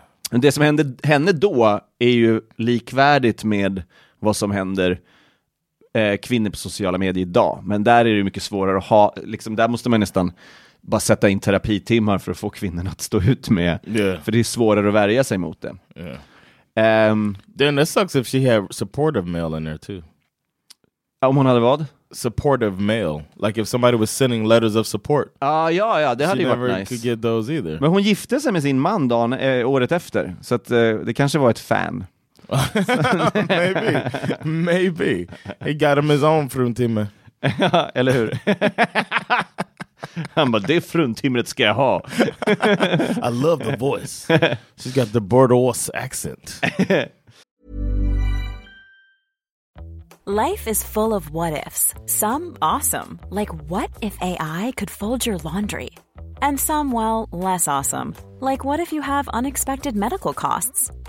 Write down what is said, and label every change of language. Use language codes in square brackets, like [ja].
[sv] Men det som hände henne då är ju likvärdigt med vad som händer kvinnor på sociala medier idag. Men där är det ju mycket svårare att ha... Liksom, där måste man nästan bara sätta in terapitimmar för att få kvinnorna att stå ut med. [en] Yeah. [sv] För det är svårare att värja sig mot det. [en] Yeah. Then it sucks if she had supportive mail in there too. [sv] Om hon hade vad? [en] Supportive mail. Like if somebody was sending letters of support. [sv] Ja, det hade ju varit nice. [en] She never could get those either. [sv] Men hon gifte sig med sin man dagen, året efter. Så att, det kanske var ett fan. [en] Maybe. He got him his own fruntimme. [sv] Eller hur? Han bara, det fruntimret ska jag ha. [en] I love the voice. She's got the Bordeaux accent. Life is full of what-ifs. Some awesome, like what if AI could fold your laundry? And some, well, less awesome, like what if you have unexpected medical costs?